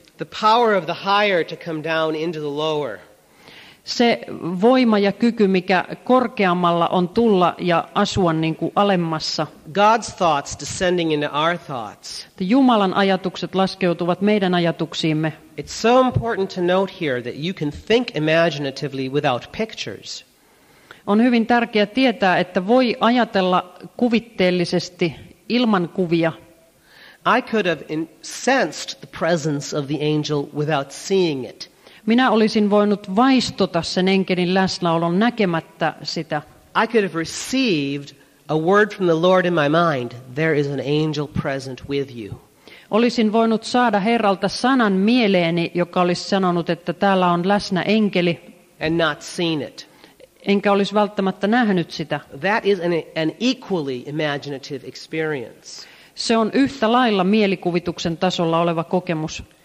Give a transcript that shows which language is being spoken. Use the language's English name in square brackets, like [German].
[English] The power of the higher to come down into the lower. [Finnish] Se voima ja kyky, mikä korkeammalla on tulla ja asua niin kuin alemmassa. [English] God's thoughts descending into our thoughts. [Finnish] Jumalan ajatukset laskeutuvat meidän ajatuksiimme. [English] It's so important to note here that you can think imaginatively without pictures. [Finnish] On hyvin tärkeää tietää, että voi ajatella kuvitteellisesti ilman kuvia. [English] I could have sensed the presence of the angel without seeing it. [Finnish] Minä olisin voinut vaistota sen enkelin läsnäolon näkemättä sitä. [English] I could have received a word from the Lord in my mind. There is an angel present with you. [Finnish] Olisin voinut saada Herralta sanan mieleeni, joka olisi sanonut, että täällä on läsnä enkeli. [English] And not seen it. [Finnish] Enkä olisi välttämättä nähnyt sitä. [English] That is an equally imaginative experience. [Finnish] Se on yhtä lailla mielikuvituksen tasolla oleva kokemus.